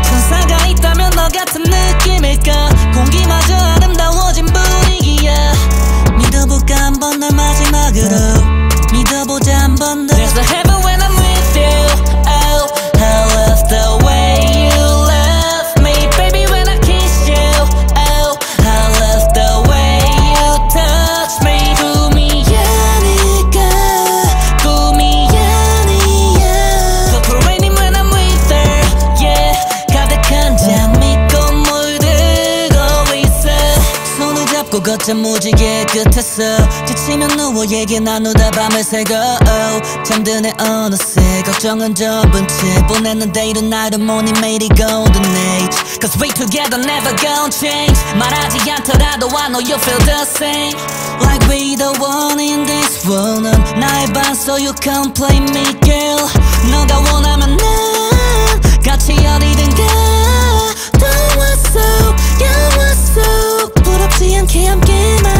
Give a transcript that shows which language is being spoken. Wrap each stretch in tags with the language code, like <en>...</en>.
<ko>사가 있다면 너 같은 느낌일까. 공기마저 아름다워진 분위기야. 믿어볼까 한 번 더 마지막으로. 믿어보자 한 번 더.</ko> <en>There's a heaven when I'm with you. Oh, I love the way you love me. Baby, when I kiss you. Oh, I love the way you touch me.</en> <ko>꿈이 아닐까, 꿈이 아니야.</ko> <en>The parade when I'm with her.</en> <ko>Yeah, 가득한 잔 믿고 물들고 있어. 손을 잡고 걷자 무지개 끝에서. 지치면 누워 얘기 나누다 밤을 새고. 잠든 애 어느새 걱정은 접은 채 보냈는데 이런 날은</ko> <en>morning made it golden age. Cause we together never gon' change.</en> <ko>말하지 않더라도</ko> <en>I know you feel the same. Like we the one in this world.</en> <ko>넌 나의 반</ko> <en>so you can't play me girl.</en> <ko>너가 원하면 난 같이 어디든 가.</ko> <en>Don't want so, yeah, want so.</en> <ko>부럽지 않게 함께.</ko>